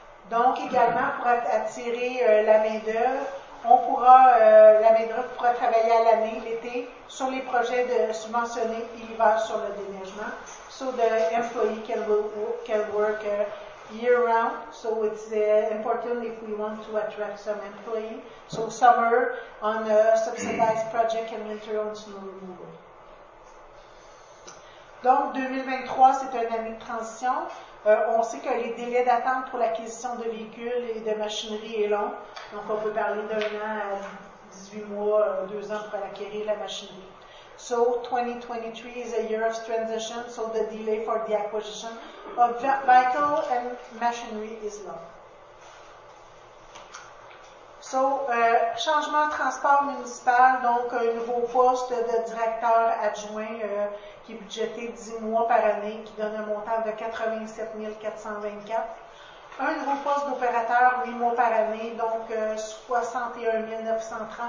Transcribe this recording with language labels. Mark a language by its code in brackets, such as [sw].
[fr] Donc, également, pour attirer la main-d'œuvre, on pourra, la main-d'œuvre pourra travailler à l'année, l'été, sur les projets de subventionnés et l'hiver sur le déneigement. [en] So, the employee can work year-round. So, it's important if we want to attract some employees. So, summer on a subsidized project and winter on snow removal. [fr] Donc, 2023, c'est une année de transition. On sait que les délais d'attente pour l'acquisition de véhicules et de machinerie est long. Donc, on peut parler d'un an à 18 mois, 2 ans pour acquérir la machinerie. [en] So, 2023 is a year of transition, so the delay for the acquisition of vehicle and machinery is long. [fr] So, changement de transport municipal, donc un nouveau poste de directeur adjoint qui est budgété 10 mois par année, qui donne un montant de 87 424. Un nouveau poste d'opérateur 8 mois par année, donc 61 930.